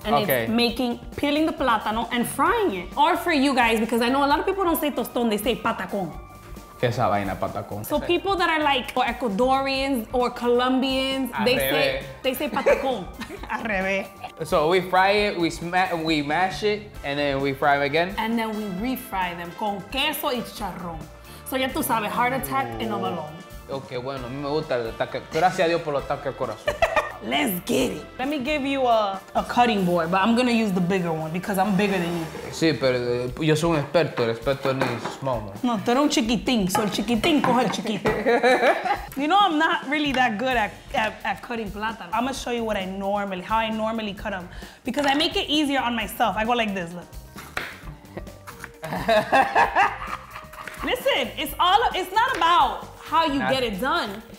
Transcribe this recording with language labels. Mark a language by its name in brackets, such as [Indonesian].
[English] And it's making, peeling the plátano and frying it. Or for you guys, because I know a lot of people don't say tostón, they say patacón. [Spanish] ¿Qué esa vaina, patacón? [English] So people that are like Ecuadorians or Colombians, they say patacón. [Spanish] Al revés. [English] So we fry it, we mash it, and then we fry them again? And then we refry them [Spanish] con queso y chicharrón. So ya tú sabes, [English] heart attack [Spanish] en Ovalon. Okay, bueno, a mí me gusta el ataque. Gracias a Dios por el ataque al corazón. [English] Let's get it. Let me give you a cutting board, but I'm gonna use the bigger one because I'm bigger than you. [Spanish] Sí, pero yo soy un experto. El experto en el [English] small one. [Spanish] No, tú eres un chiquitín. So el chiquitín coge el chiquito. [English] You know, I'm not really that good at cutting plátano. I'm gonna show you what I normally, how I normally cut them. Because I make it easier on myself. I go like this, look. Listen, it's not about how you get it done.